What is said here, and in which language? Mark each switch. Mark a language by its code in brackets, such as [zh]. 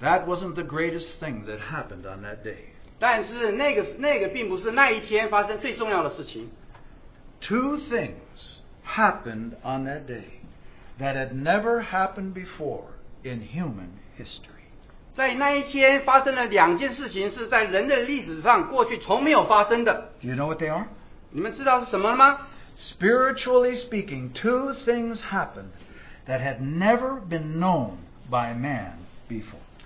[en] that wasn't the greatest thing that happened on that day. [zh] 但是那个并不是那一天发生最重要的事情。 [en] Two things happened on that day that had never happened before in human history. [zh] 在那一天发生了两件事情是在人类历史上过去从没有发生的。 [en] Do you know what they are? [zh] 你们知道是什么吗? [en] Spiritually speaking, two things happened that had never been known by man before.